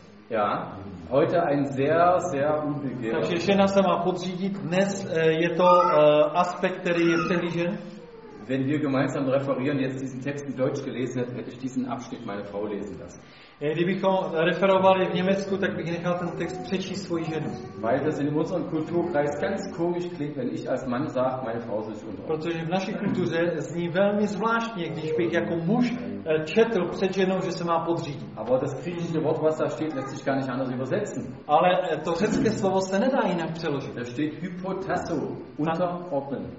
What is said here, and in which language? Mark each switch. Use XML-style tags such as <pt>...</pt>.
<de>Ja, heute ein sehr, sehr unbegehrter.</de> <cs>Takže žena se má podřídit. Dnes je to aspekt, který je přehlížen.</cs> <de>Wenn wir gemeinsam referieren, jetzt diesen Text in Deutsch gelesen hätten, hätte ich diesen Abschnitt meiner Frau lesen lassen.</de> <cs>Kdybychom referovali v Německu, tak bych nechal ten text přečíst svoji ženu.</cs> <de>Weil das in unserem Kulturkreis ganz komisch klingt, wenn ich als Mann sage, meine Frau soll sich unterordnen.</de> <cs>Protože v naší kultuře zní velmi zvláštně, když bych jako muž četl před ženou, že se má podřídit.</cs> <de>Aber das griechische Wort, was da steht, lässt sich gar nicht anders übersetzen.</de> <cs>Ale to řecké slovo se nedá jinak přeložit.</cs> <de>Da steht hypotasso, unterordnen.</de>